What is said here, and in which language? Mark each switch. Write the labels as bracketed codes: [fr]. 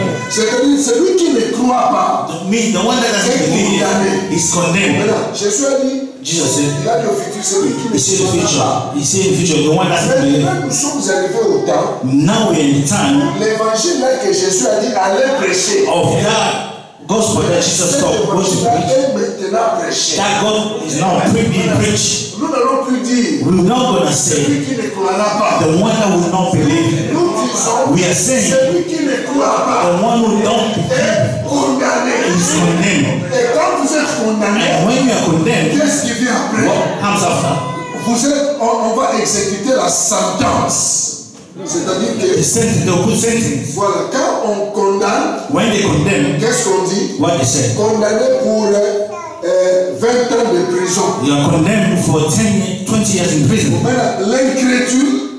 [fr] C'est-à-dire celui qui ne croit pas. [en] The one that has been condemné. Is condemned. [fr] Voilà. Jésus a dit. [en] Jesus said. [fr] Il a dit au futur celui qui ne croit pas. [en] He said the future. He said the future. The one that has been condemned. [fr] Nous sommes arrivés au temps. [en] Now we're in the time. [fr] L'évangile là que Jésus a dit allait prêcher. [en] Of God. Gospel that Jesus taught, gospel that God is now preaching. We're not going to say the one that will not believe. We are saying the one who don't believe is condemned. And when you are condemned, what comes after? [fr] On va exécuter la sentence. C'est-à-dire que voilà, quand on condamne, [en] when they condemn, [fr] qu'est-ce qu'on dit? [en] What they say? [fr] Condamné pour 20 ans de prison. [en] You are condemned for 20 years in prison. [fr] Maintenant, l'incrédule,